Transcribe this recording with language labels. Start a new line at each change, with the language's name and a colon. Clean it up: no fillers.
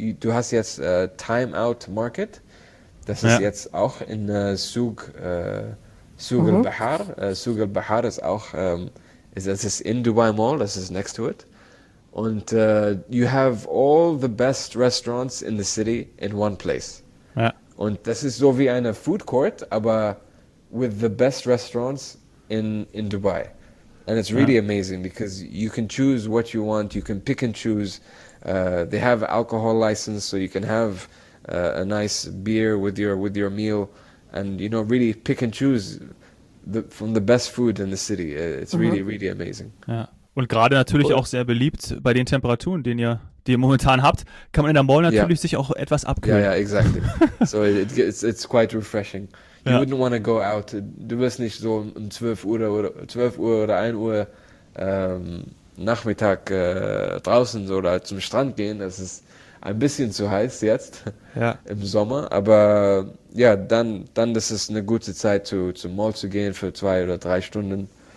German: Du hast jetzt Time Out Market. Das ist Ja. jetzt auch in Souq Al Bahar. Souq Al Bahar ist auch das ist in Dubai Mall. Das ist
English: next to it. And you have all the best restaurants in the city in one place.
German: Und das ist so wie eine Food Court, aber
English: with the best restaurants in Dubai. And it's really amazing because you can choose what you want. You can pick and choose. They have alcohol license, so you can have a nice beer with your meal, and you know, really pick and choose from the best food in the city. It's really, really amazing.
German: Ja. Und gerade natürlich auch sehr beliebt bei den Temperaturen, die ihr momentan habt, kann man in der Mall
English: Yeah,
German: natürlich sich auch etwas abkühlen.
English: exactly. So it's quite refreshing. You
German: Ja.
English: wouldn't want to go out.
German: Du wirst nicht so um 12 Uhr oder 12 Uhr oder 1 Uhr Nachmittag draußen so, oder zum Strand gehen. Das ist ein bisschen zu heiß jetzt Ja. im Sommer, aber ja, dann ist es eine gute Zeit, zum Mall zu gehen für 2 oder 3 Stunden.